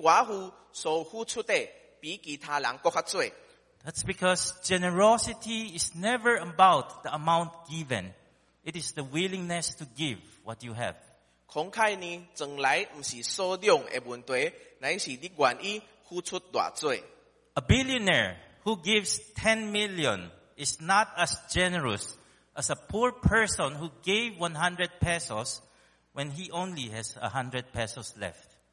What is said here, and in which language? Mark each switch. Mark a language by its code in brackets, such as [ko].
[nan] 那是根据因的内心呢，这个寡妇所付出的比其他人更加多。 [en] That's because generosity is never about the amount given; it is the willingness to give what you have. [nan] 慷慨呢，从来唔是数量的问题，乃是你愿意付出偌济。 [en] A billionaire who gives 10 million is not as generous as a poor person who gave 100 pesos when he only has 100 pesos left.